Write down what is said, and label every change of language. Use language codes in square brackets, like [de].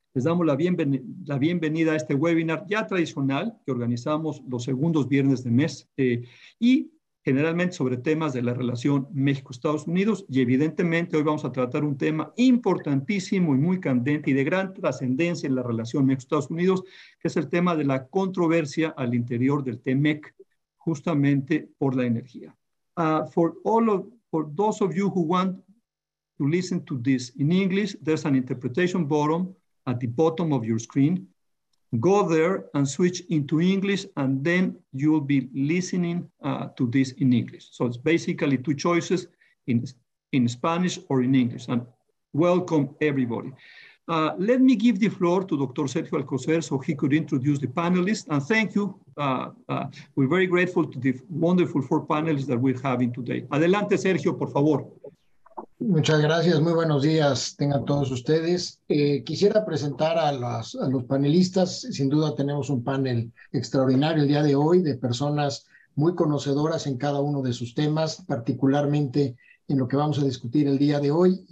[es] Les damos la bienvenida a este webinar ya tradicional que organizamos los segundos viernes de mes y generalmente sobre temas de la relación México-Estados Unidos, y evidentemente hoy vamos a tratar un tema importantísimo y muy candente y de gran trascendencia en la relación México-Estados Unidos, que es el tema de la controversia al interior del T-MEC, justamente por la energía. [en] For those of you who want to listen to this in English, there's an interpretation button at the bottom of your screen. Go there and switch into English, and then you'll be listening to this in English. So it's basically two choices, in Spanish or in English. And welcome, everybody. Let me give the floor to Dr. Sergio Alcocer so he could introduce the panelists. And thank you. We're very grateful to the wonderful four panelists that we're having today. [es] Adelante, Sergio, por favor. Muchas gracias, muy buenos días tengan todos ustedes. Quisiera presentar a los panelistas. Sin duda tenemos un panel extraordinario el día de hoy de personas muy conocedoras en cada uno de sus temas, particularmente en lo que vamos a discutir el día de hoy.